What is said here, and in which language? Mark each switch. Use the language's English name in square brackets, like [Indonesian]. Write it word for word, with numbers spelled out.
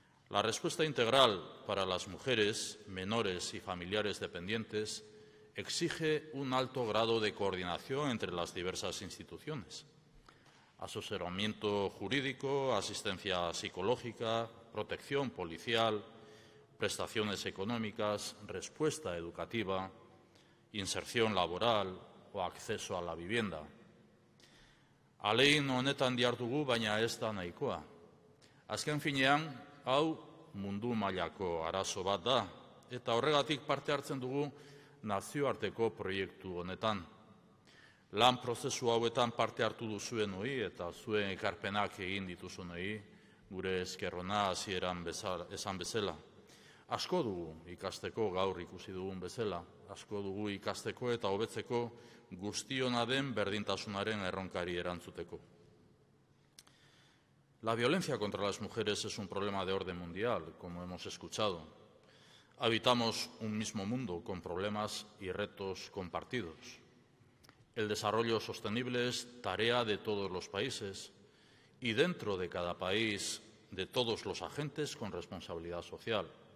[Spanish] La respuesta integral para las mujeres, menores y familiares dependientes exige un alto grado de coordinación entre las diversas instituciones. Asesoramiento jurídico, asistencia psicológica, protección policial, prestaciones económicas, respuesta educativa, inserción laboral o acceso a la vivienda. [Basque] Alegin honetan diardugu, baina ez da nahikoa. Azken finean, hau mundu mailako arazo bat da, eta horregatik parte hartzen dugu nazioarteko proiektu honetan. Lan prozesu hauetan parte hartu duzuenoi eta zuen ekarpenak egin dituzunei, gure eskerrona hasieran esan bezala. Asko dugu ikasteko, gaur ikusi dugun bezala, asko dugu ikasteko eta hobetzeko, guztiona den berdintasunaren erronkari erantzuteko. [Spanish] La violencia contra las mujeres es un problema de orden mundial, como hemos escuchado. Habitamos un mismo mundo con problemas y retos compartidos. El desarrollo sostenible es tarea de todos los países y dentro de cada país de todos los agentes con responsabilidad social.